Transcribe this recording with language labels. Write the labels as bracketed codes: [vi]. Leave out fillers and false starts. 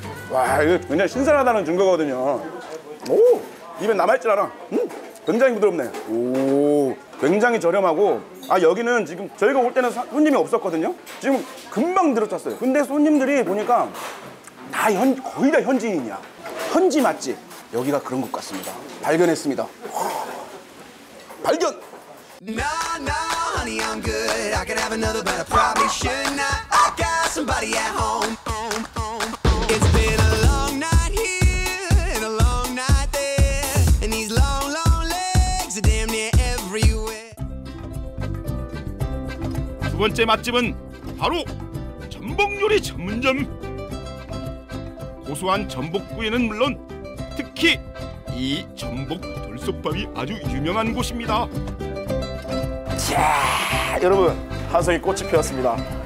[ko] 와, 이거 굉장히 신선하다는 증거거든요. 오, 입에 남아있질 않아. 굉장히 부드럽네. 오, 굉장히 저렴하고. 아, 여기는 지금 저희가 올 때는 손님이 없었거든요. 지금 금방 들어찼어요. 근데 손님들이 보니까 다 거의 다 현지인이야. 현지 맛집. 여기가 그런 것 같습니다. 발견했습니다. 발견! [en] No, no, honey, I'm good. I could have another, but I probably should not. I got somebody at home. It's been a long night here and a long night there. And these long, long legs are damn near everywhere. [ko] 두 번째 맛집은 바로 전복 요리 전문점. 고소한 전복구이는 물론 특히 이 전복 돌솥밥이 아주 유명한 곳입니다. 자, 여러분, 화성이 꽃이 피었습니다.